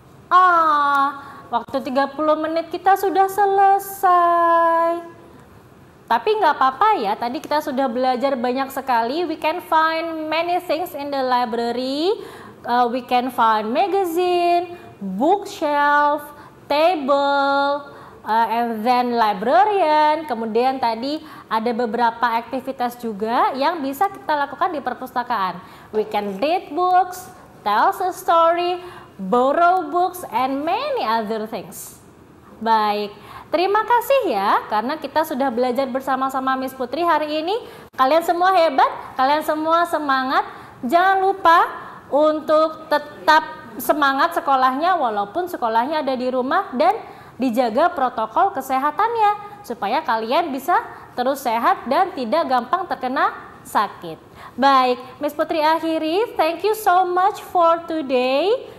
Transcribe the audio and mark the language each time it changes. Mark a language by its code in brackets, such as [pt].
[id] Oh, waktu 30 menit kita sudah selesai. Tapi nggak apa-apa ya, tadi kita sudah belajar banyak sekali. [en] We can find many things in the library. We can find magazine, bookshelf, table, and then librarian. [id] Kemudian tadi ada beberapa aktivitas juga yang bisa kita lakukan di perpustakaan. [en] We can read books, tell a story, borrow books, and many other things. Baik. [id] Terima kasih ya, karena kita sudah belajar bersama-sama Miss Putri hari ini. Kalian semua hebat, kalian semua semangat. Jangan lupa untuk tetap semangat sekolahnya, walaupun sekolahnya ada di rumah, dan dijaga protokol kesehatannya, supaya kalian bisa terus sehat dan tidak gampang terkena sakit. Baik, Miss Putri akhiri, [en] thank you so much for today.